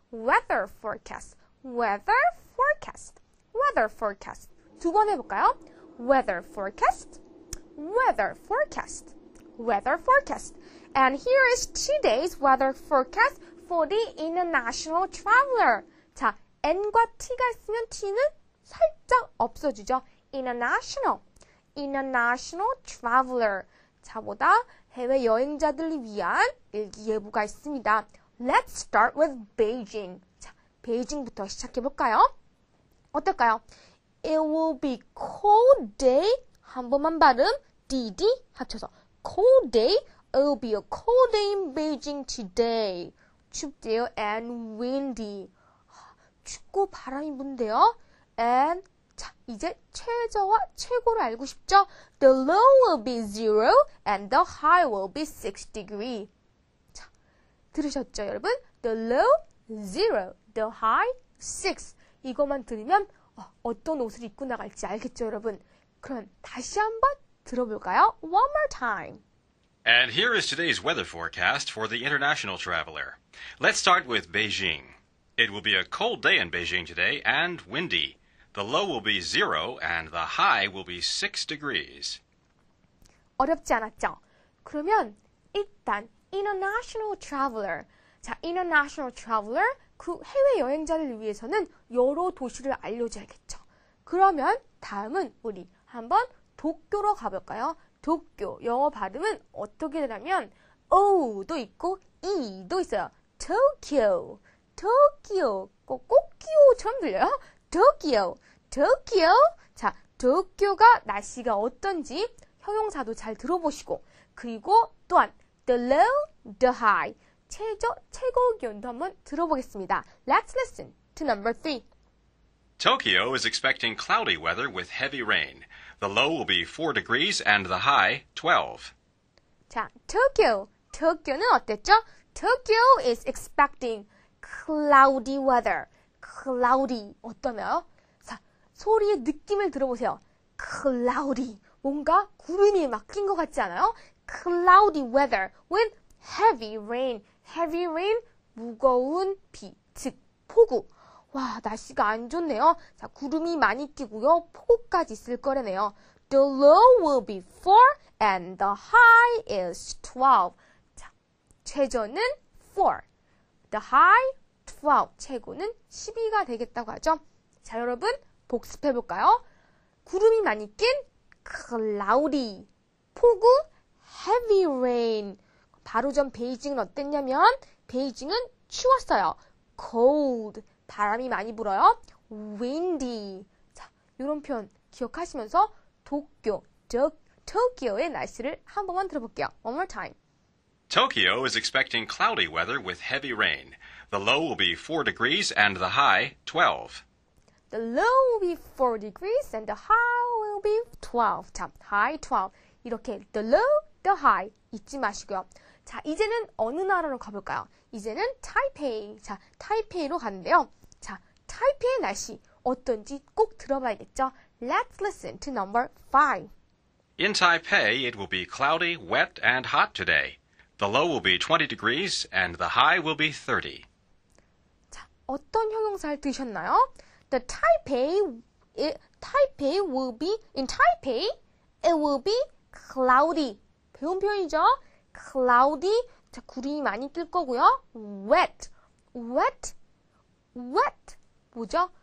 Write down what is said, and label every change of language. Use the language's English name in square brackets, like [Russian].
[English] Weather forecast, weather forecast, weather forecast. [Korean] 두번 해볼까요? [English] Weather forecast, weather forecast, weather forecast. And here is today's weather forecast for the international traveler. [Korean] 자, N과 T가 있으면 T는 살짝 없어지죠. [English] International, international traveler. [Korean] 자보다 해외 여행자들을 위한 일기예보가 있습니다. [English] Let's start with Beijing. [Korean] 자, 베이징부터 시작해볼까요? 어떨까요? [English] It will be cold day. [Korean] 한 번만 발음. DD 합쳐서. [English] Cold day. It will be a cold day in Beijing today. [Korean] 춥대요. [English] And windy. [Korean] 춥고 바람이 분대요. And, 자, 이제 최저와 최고를 알고 싶죠? [English] The low will be 0 and the high will be 6 degree. [Korean] 들으셨죠, 여러분? [English] The low, zero. The high, six. [Korean] 이것만 들으면 어떤 옷을 입고 나갈지 알겠죠, 여러분? 그럼 다시 한번 들어볼까요? [English] One more time. And here is today's weather forecast for the international traveler. Let's start with Beijing. It will be a cold day in Beijing today and windy. The low will be 0 and the high will be 6 degrees. [Korean] 어렵지 않았죠? 그러면 일단 International traveler. [English] 자, international traveler. [Korean] 그 해외 여행자를 위해서는 여러 도시를 알려줘야겠죠. 그러면 다음은 우리 한번 도쿄로 가볼까요? 도쿄. 영어 발음은 어떻게 되냐면, O도 있고, E도 있어요. [English] Tokyo. Tokyo. [Korean] 꼬꼬끼오처럼 들려요? [English] Tokyo. Tokyo. [Korean] 자, 도쿄가 날씨가 어떤지 형용사도 잘 들어보시고, 그리고 또한, [English] The low, the high. [Korean] 최저, 최고 기온도 한번 들어보겠습니다. [English] Let's listen to number three. Tokyo is expecting cloudy weather with heavy rain. The low will be 4 degrees and the high 12. 자, Tokyo. [Korean] Tokyo는 어땠죠? [English] Tokyo is expecting cloudy weather. Cloudy. [Korean] 어떠나요? 자, 소리의 느낌을 들어보세요. [English] Cloudy. [Korean] 뭔가 구름이 막낀것 같지 않아요? [English] Cloudy weather with heavy rain. Heavy rain, [Korean] 무거운 비, 즉 폭우. 와, 날씨가 안 좋네요. 자, 구름이 많이 끼고요. 폭우까지 있을 거라네요. [English] The low will be 4 and the high is 12. [Korean] 자, 최저는 4. [English] The high, 12. [Korean] 최고는 12가 되겠다고 하죠. 자, 여러분, 복습해 볼까요? 구름이 많이 낀 cloudy, 폭우, Heavy rain. 바로 전 베이징은 어땠냐면, 베이징은 추웠어요. Cold. 바람이 많이 불어요. Windy. 자, 이런 표현 기억하시면서 도쿄, 도쿄의 날씨를 한 번만 들어볼게요. [English] One more time. Tokyo is expecting cloudy weather with heavy rain. The low will be 4 degrees and the high 12. The low will be 4 degrees and the high will be 12. 자, high 12. 이렇게 the low, the high [Korean] 잊지 마시고요. 자, 이제는 어느 나라로 가볼까요? 이제는 타이페이. 자, 타이페이로 가는데요. 자, 타이페이 날씨 어떤지 꼭 들어봐야겠죠? [English] Let's listen to number 5. In Taipei, it will be cloudy, wet, and hot today. The low will be 20 degrees, and the high will be 30. [Korean] 자, 어떤 형용사를 들으셨나요? [English] The Taipei, Taipei will be, in Taipei, it will be cloudy. [Korean] 배운 표현이죠? Cloudy, 자, 구름이 많이 뜰 거고요. Wet, 뭐죠?